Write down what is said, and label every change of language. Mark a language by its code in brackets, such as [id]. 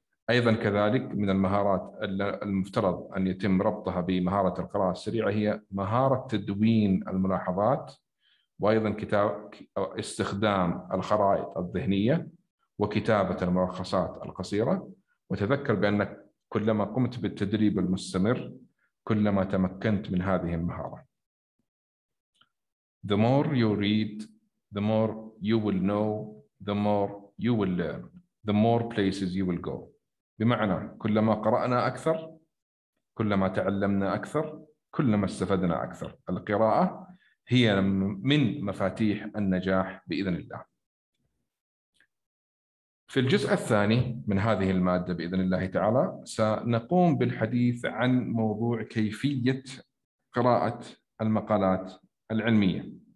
[ar] أيضا كذلك من المهارات المفترض أن يتم ربطها بمهارة القراءة السريعة هي مهارة تدوين الملاحظات، وأيضا كتابة استخدام الخرائط الذهنية وكتابة الملخصات القصيرة. وتذكر بأنك كلما قمت بالتدريب المستمر كلما تمكنت من هذه المهارة. [en] The more you read, the more you will know, the more you will learn, the more places you will go. [ar] بمعنى كلما قرأنا أكثر كلما تعلمنا أكثر كلما استفدنا أكثر. القراءة هي من مفاتيح النجاح بإذن الله. في الجزء الثاني من هذه المادة بإذن الله تعالى سنقوم بالحديث عن موضوع كيفية قراءة المقالات العلمية.